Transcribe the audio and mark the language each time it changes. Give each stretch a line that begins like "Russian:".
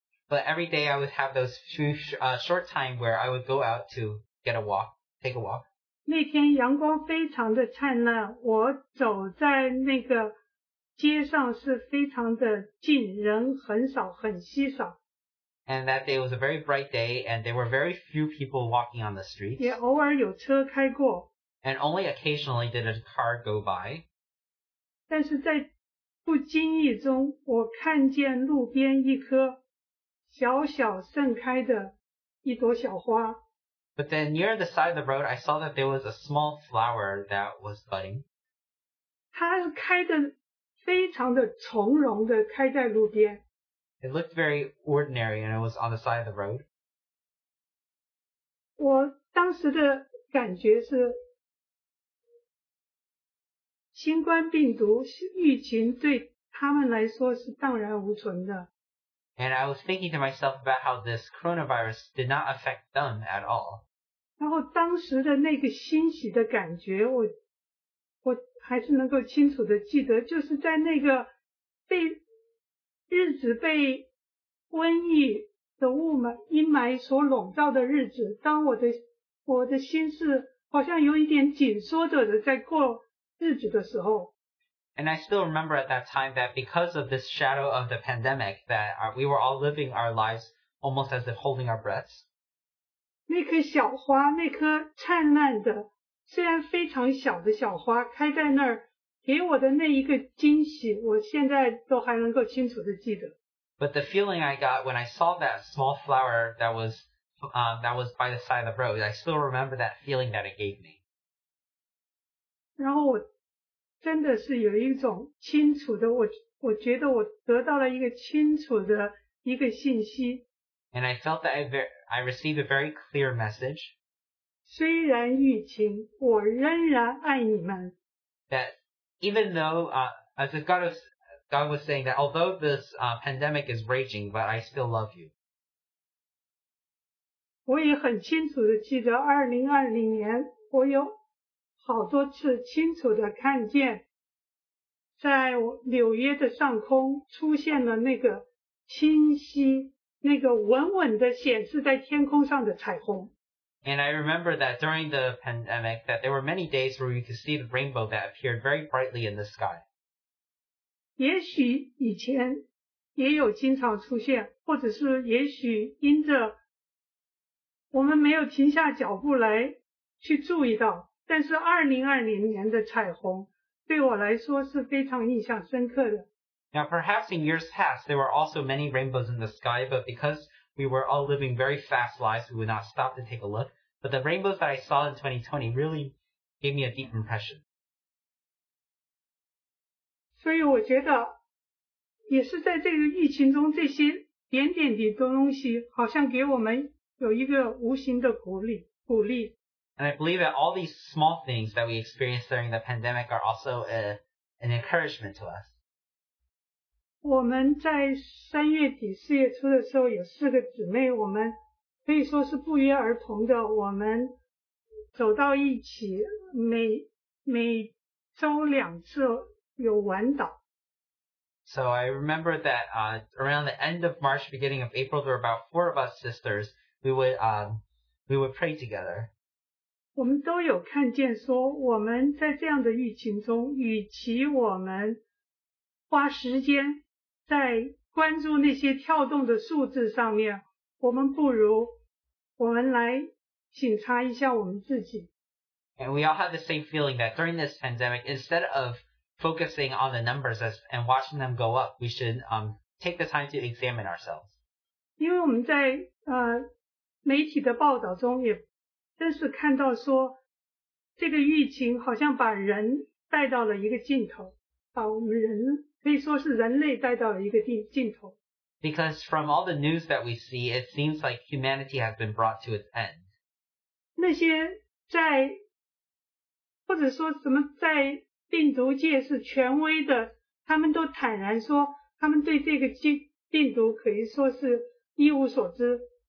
English: But every day I would have those few short time where I would go out to take a walk.
Chinese: 那天阳光非常的灿烂，我走在那个街上是非常的近，人很少很稀少。
English: And that day was a very bright day and there were very few people walking on the streets.
Chinese: 也偶尔有车开过。
English: And only occasionally did a car go by.
Chinese: 但是在不经意中，我看见路边一颗小小盛开的一朵小花。
English: But then near the side of the road, I saw that there was a small flower that was budding.
Chinese: 它开得非常的从容的开在路边。
English: It looked very ordinary and it was on the side of the road.
Chinese: 我当时的感觉是新冠病毒疫情对他们来说是荡然无存的。
English: And I was thinking to myself about how this coronavirus did not affect them at all.
Chinese: 然后当时的那个欣喜的感觉，我还是能够清楚的记得，就是在那个被日子被瘟疫的雾霾阴霾所笼罩的日子，当我的心是好像有一点紧缩着的在过日子的时候。
English: And I still remember at that time that because of this shadow of the pandemic, that we were all living our lives almost as if holding our breaths.
Chinese: 那颗小花，那颗灿烂的，虽然非常小的小花，开在那儿，给我的那一个惊喜，我现在都还能够清楚地记得。
English: But the feeling I got when I saw that small flower that was by the side of the road, I still remember that feeling that it gave me.
Chinese: 然后真的是有一种清楚的我觉得我得到了一个清楚的一个信息。
English: And I felt that I received a very clear message.
Chinese: 虽然疫情我仍然爱你们。
English: That even though, as if God was saying that although this pandemic is raging, but I still love you.
Chinese: 我也很清楚的记得2020年我有好多次清楚地看见在纽约的上空出现了那个清晰那个稳稳地显示在天空上的彩虹。
English: And I remember that during the pandemic that there were many days where you could see the rainbow that appeared very brightly in the sky.
Chinese: 也许以前也有经常出现或者是也许因着我们没有停下脚步来去注意到但是2020年的彩虹对我来说是非常印象深刻的。
English: Now perhaps in years past, there were also many rainbows in the sky, but because we were all living very fast lives, we would not stop to take a look. But the rainbows that I saw in 2020 really gave me a deep impression.
Chinese: 所以我觉得也是在这个疫情中这些点点滴的东西好像给我们有一个无形的鼓励。
English: And I believe that all these small things that we experienced during the pandemic are also an encouragement to us.
Chinese: 我们在三月底四月初的时候有四个姊妹我们可以说是不约而同的我们走到一起每周两次有晚祷。
English: So I remember that around the end of March, beginning of April, there were about four of us sisters. We would pray together.
Chinese: 我们都有看见说我们在这样的疫情中与其我们花时间在关注那些跳动的数字上面我们不如我们来省察一下我们自己。
English: And we all have the same feeling that during this pandemic, instead of focusing on the numbers and watching them go up, we should take the time to examine ourselves.
Chinese: 因为我们在媒体的报道中也真是看到说这个疫情好像把人带到了一个尽头把我们人可以说是人类带到了一个尽头。
English: Because from all the news that we see, it seems like humanity has been brought to its end.
Chinese: 那些在或者说什么在病毒界是权威的他们都坦然说他们对这个病毒可以说是一无所知。